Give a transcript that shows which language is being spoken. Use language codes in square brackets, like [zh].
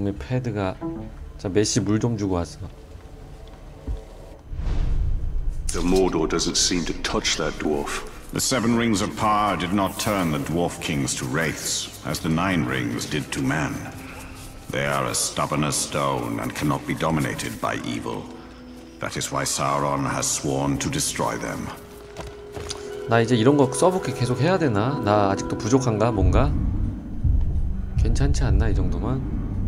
[ko] 헤드가 자 메시 물 좀 주고 왔어. [en] The Mordor doesn't seem to touch that dwarf. The seven rings of power did not turn the dwarf kings to wraiths, as the nine rings did to men. They are as stubborn as stone and cannot be dominated by evil. That is why Sauron has sworn to destroy them. [ko] 나 이제 이런 거 서브캐 계속 해야 되나? 나 아직도 부족한가 뭔가? 괜찮지 않나 이 정도만?